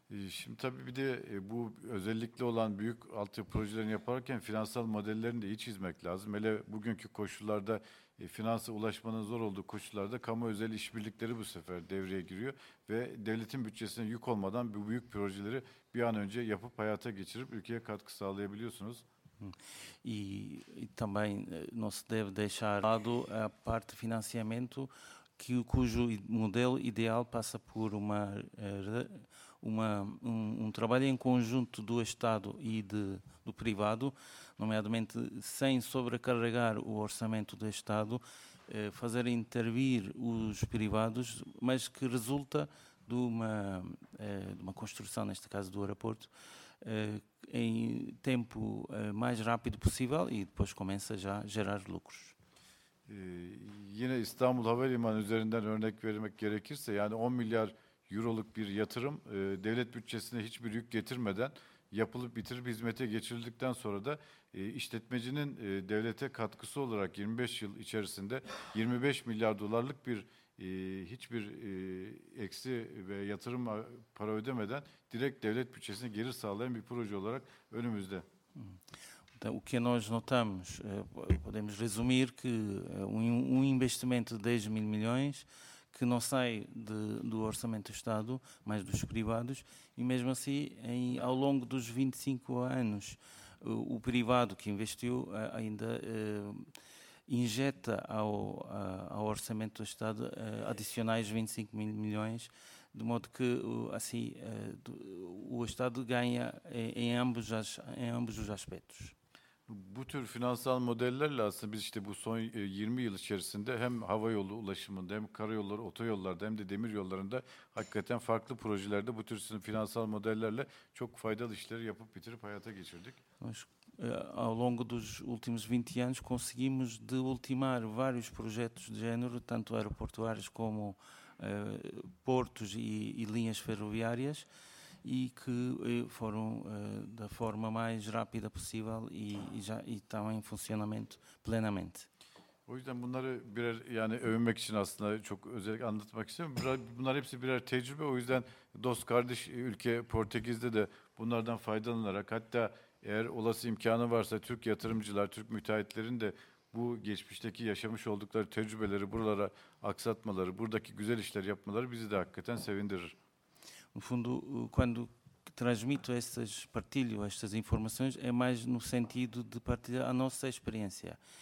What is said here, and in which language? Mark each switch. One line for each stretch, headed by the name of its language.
Turkish: Şimdi tabii bir de bu özellikle olan büyük altyapı projelerini yaparken finansal modellerini de iyi çizmek lazım. Hele bugünkü koşullarda finansa ulaşmanın zor olduğu koşullarda kamu özel işbirlikleri bu sefer devreye giriyor. Ve devletin bütçesine yük olmadan bu büyük projeleri bir an önce yapıp hayata geçirip ülkeye katkı sağlayabiliyorsunuz.
Portuguese: E também nós deve deixar lado a parte financiamento, cujo modelo ideal passa por um trabalho em conjunto do Estado e do privado, nomeadamente sem sobrecarregar o orçamento do Estado, fazer intervir os privados, mas que resulta de uma construção, neste caso do aeroporto, em tempo mais rápido possível e depois começa já a gerar lucros.
Turkish: Yine İstanbul Havalimanı üzerinden örnek vermek gerekirse, yani 10 milyar euroluk bir yatırım devlet bütçesine hiçbir yük getirmeden yapılıp bitirip hizmete geçirildikten sonra da işletmecinin devlete katkısı olarak 25 yıl içerisinde 25 milyar dolarlık bir hiçbir eksi ve yatırım para ödemeden direkt devlet bütçesine gelir sağlayan bir proje olarak önümüzde.
Portuguese: O que nós notamos, podemos resumir que um investimento de 10 mil milhões que não sai do orçamento do Estado, mas dos privados, e mesmo assim, ao longo dos 25 anos, o privado que investiu ainda injeta ao orçamento do Estado adicionais 25 mil milhões de modo que assim o Estado ganha em ambos os aspectos.
Turkish: Bu tür finansal modellerle aslında biz işte bu son 20 yıl içerisinde hem hava yolu ulaşımında hem karayolları, otoyollarda hem de demir yollarında hakikaten farklı projelerde bu tür finansal modellerle çok faydalı işleri yapıp bitirip hayata geçirdik.
Portuguese: Ao longo dos últimos 20 anos conseguimos de ultimar vários projetos de género, tanto aeroportuários como portos e linhas ferroviárias, e que foram da forma mais rápida possível e estão em funcionamento plenamente.
Turkish: O yüzden bunları birer yani övünmek için aslında çok özellikle anlatmak istiyorum. Bunlar hepsi birer tecrübe. O yüzden dost kardeş ülke Portekiz'de de bunlardan faydalanarak hatta eğer olası imkanı varsa Türk yatırımcılar, Türk müteahhitlerin de bu geçmişteki yaşamış oldukları tecrübeleri buralara aksatmaları, buradaki güzel işler yapmaları bizi de hakikaten sevindirir.
Portuguese: No fundo, quando transmito estas, partilho estas informações, é mais no sentido de partilhar a nossa experiência.